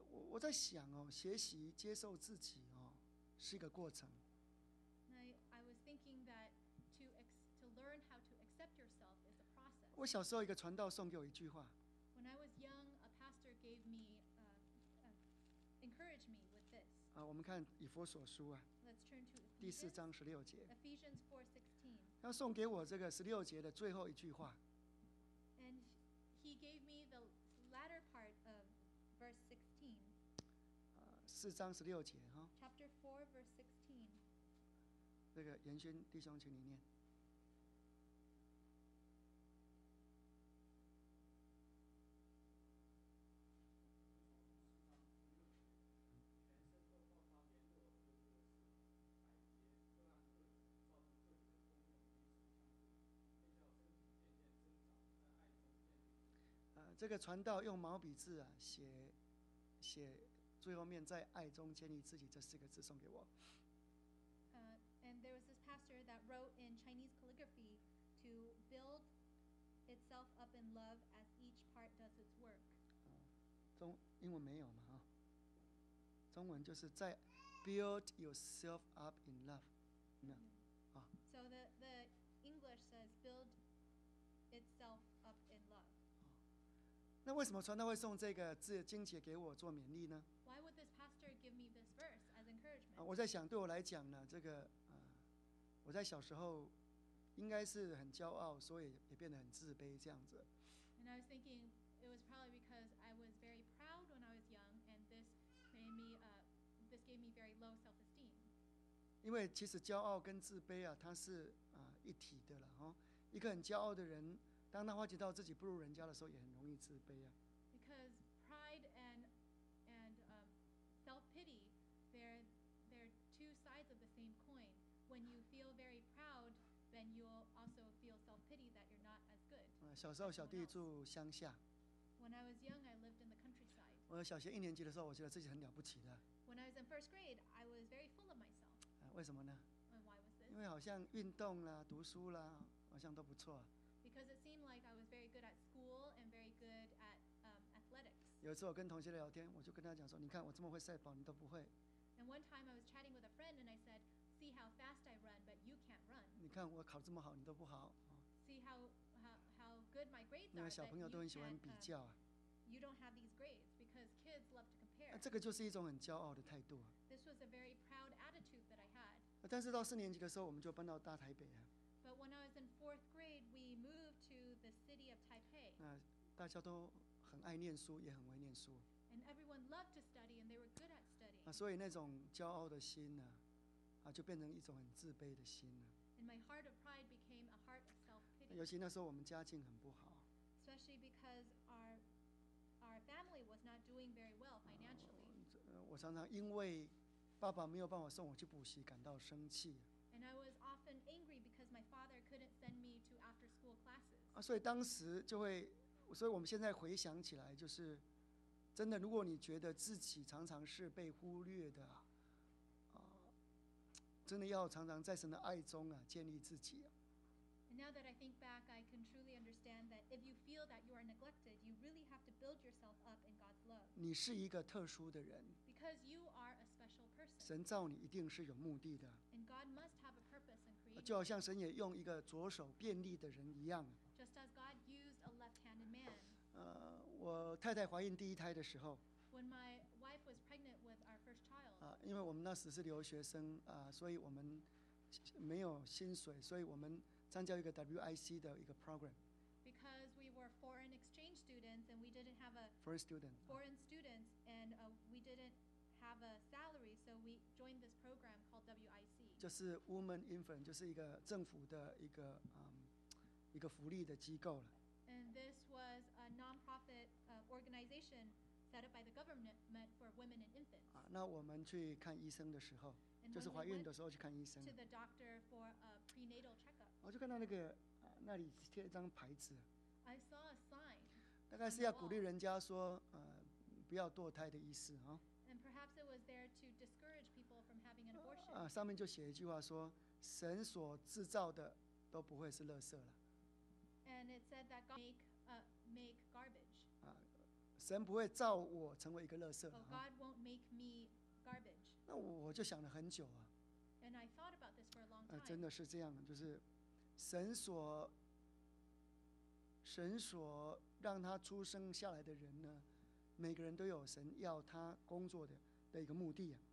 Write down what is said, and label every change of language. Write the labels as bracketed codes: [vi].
[zh] 我在想哦，学习接受自己哦，是一个过程。 [en] I was thinking that to learn how to accept yourself is a process. [zh] 我小时候一个传道送给我一句话。 [en] When I was young, a pastor gave me encouraged me with this. [zh] 啊，我们看以弗所书啊。 [en] Let's turn to [zh] 第四章十六节。 [en] Ephesians 4:16. [zh] 他送给我这个十六节的最后一句话。 [en] And he gave me the latter part of verse 16. [zh] 四章十六节 [en] Chapter 4, verse [zh] 16. 那个严勋弟兄，请你念。这个传道用毛笔字啊，写。最后面在爱中建立自己这四个字送给我。 [en] And there was this pastor that wrote in Chinese calligraphy to build itself up in love as each part does its work. [zh] 英文没有嘛？中文就是在 [en] build yourself up in love， [zh] 有没有？ [en] So the English says build itself up in love. [zh] 那为什么传道会送这个字经节给我做勉励呢？ [en] Give me this verse as encouragement. [zh] 我在想，对我来讲呢，这个我在小时候应该是很骄傲，所以也变得很自卑这样子。 [en] And I was thinking it was probably because I was very proud when I was young, and this made me this gave me very low self-esteem. [zh] 因为其实骄傲跟自卑啊，它是一体的了哈。一个很骄傲的人，当他发觉到自己不如人家的时候，也很容易自卑啊。 [en] Because pride and self-pity, they're two sides of the same coin. When you feel very proud, then you'll also feel self-pity that you're not as good. [zh] 小时候小弟住乡下。 [en] When I was young, I lived in the countryside. [zh] 我小学一年级的时候，我觉得自己很了不起的。 [en] When I was in first grade, I was very full of myself. [zh] 为什么呢？ [en] And why was this? [zh] 因为好像运动啦，读书啦，好像都不错。 [en] Because it seemed like I was very good at school and very good at [zh] 有一次我跟同学聊天，我就跟他讲说：“你看我这么会赛跑，你都不会。” [en] And one time I was chatting with a friend and I said, "See how fast I run, but you can't run." [zh] 你看我考这么好，你都不好。 [en] See how good my grades are. [zh] 那小朋友都很喜欢比较啊。 [en] You don't have these grades because kids love to compare. [zh] 这个就是一种很骄傲的态度。 [en] This was a very proud attitude that I had. [zh] 但是到四年级的时候，我们就搬到大台北啊。 [en] But when I was in fourth grade, we moved to the city of Taipei. [zh] 那大家都。很爱念书，也很会念书。 [en] And everyone loved to study, and they were good at studying. [zh] 所以那种骄傲的心呢，就变成一种很自卑的心了。 [en] And my heart of pride became a heart of self-pity. [zh] 尤其那时候我们家境很不好。 [en] Especially because our family was not doing very well financially. [zh] 我常常因为爸爸没有帮我送我去补习感到生气。 [en] And I was often angry because my father couldn't send me to after-school classes. [zh] 所以当时就会。所以我们现在回想起来，就是真的，如果你觉得自己常常是被忽略的，真的要常常在神的爱中建立自己。 [en] And now that I think back, I can truly understand that if you feel that you are neglected, you really have to build yourself up in God's love. [zh] 你是一个特殊的人。 [en] Because you are a special person. [zh] 神造你一定是有目的的。 [en] And God must have a purpose in creating. [zh] 就好像神也用一个左手便利的人一样。 [en] Just as God used a left-handed man. [zh] 我太太怀孕第一胎的时候。 [en] When my wife was pregnant with our first child. [zh] 因为我们那时是留学生啊，所以我们没有薪水，所以我们。参加一个 WIC 的一个 program， [en] because we were foreign exchange students and we didn't have a foreign students and we didn't have a salary， so we joined this program called WIC， [zh] 就是 Woman Infant， 就是一个政府的一个一个福利的机构了。 [en] And this was a non-profit organization set up by the government for women and infants. [zh] 啊，那我们去看医生的时候，就是怀孕的时候去看医生。 [en] To the doctor for a prenatal checkup. [zh] 我就看到那个那里贴一张牌子。 [en] I saw a sign. [zh] 大概是要鼓励人家说，不要堕胎的意思啊。 [en] And perhaps it was there to discourage people from having an abortion. [zh] 啊，上面就写一句话说，神所制造的都不会是垃圾了。 [en] And it said that God make garbage. [zh] 啊，神不会造我成为一个垃圾。 [en] Oh, God won't make me garbage. [zh] 那我就想了很久啊。 [en] And I thought about this for a long time. [zh] 真的是这样，就是神所让他出生下来的人呢，每个人都有神要他工作的一个目的啊。